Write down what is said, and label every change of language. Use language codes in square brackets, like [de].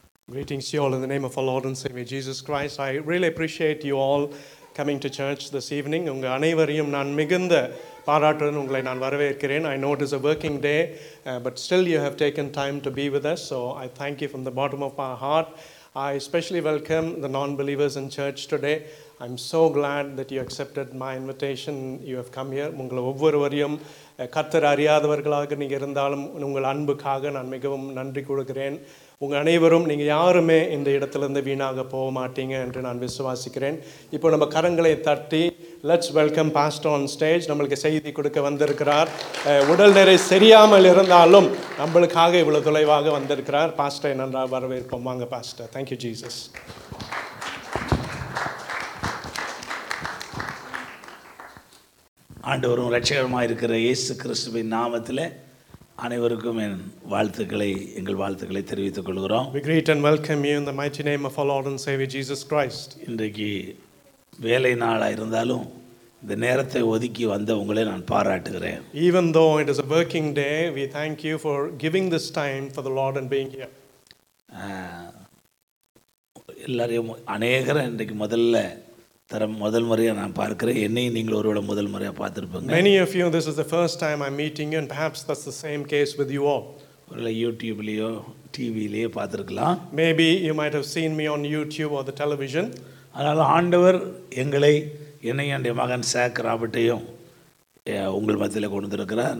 [en] Greetings to you all in the name of our Lord and Savior Jesus Christ. I really appreciate you all coming to church this evening. [ta] உங்கள் அனைவரையும் நான் மிகுந்த பாராட்டுடன் உங்களை நான் வரவேற்கிறேன். [en] I know it is a working day, but still you have taken time to be with us. So I thank you from the bottom of my heart. I especially welcome the non-believers in church today. I'm so glad that you accepted my invitation. You have come here. [ta] உங்களை ஒவ்வொருவரையும் கர்த்தர் அறியாதவர்களாக நீங்கள் இருந்தாலும் உங்கள் அன்புக்காக நான் மிகவும் நன்றி கூறுகிறேன். உங்கள் அனைவரும் நீங்கள் யாருமே இந்த இடத்துலேருந்து வீணாக போக மாட்டீங்க என்று நான் விசுவாசிக்கிறேன். இப்போ நம்ம கரங்களை தட்டி [en] Let's welcome pastor on stage. [ta] நம்மளுக்கு செய்தி கொடுக்க வந்திருக்கிறார். உடல் நிறை சரியாமல் இருந்தாலும் நம்மளுக்காக இவ்வளோ தொலைவாக வந்திருக்கிறார் பாஸ்டரை நன்றாக வரவேற்போம். வாங்க பாஸ்டர். [en] Thank you Jesus. [ta] ஆண்டவரும் ரட்சகருமாக இருக்கிற இயேசு கிறிஸ்துவின் நாமத்தில் அனைவருக்கும் என் வாழ்த்துக்களை எங்கள் வாழ்த்துக்களை தெரிவித்துக் கொள்கிறோம். [en] We greet and welcome you in the mighty name of our Lord and Savior Jesus Christ. [ta] இன்றைக்கு வேலை நாளாக இருந்தாலும் இந்த நேரத்தை ஒதுக்கி வந்த உங்களை நான் பாராட்டுகிறேன். [en] Even though it is a working day, we thank you for giving this time for the Lord and being here. [ta] எல்லாரையும் அநேகரை இன்றைக்கு முதல்ல முதல் முறையாக நான் பார்க்கிறேன். என்னையும் நீங்கள் ஒருவோட முதல் முறையாக பார்த்துருப்பீங்க. [en] Many of you, this is the first time I'm meeting you and perhaps that's the same case with you all. [ta] ஒருவேளை யூடியூப்லேயோ டிவியிலேயோ பார்த்துருக்கலாம். [en] Maybe you might have seen me on YouTube or the television. [ta] அதனால் ஆண்டவர் எங்களை என்னையுடைய மகன் சேக் ராபர்ட்டையும் உங்கள் மத்தியில் கொண்டு வந்திருக்கிறார்.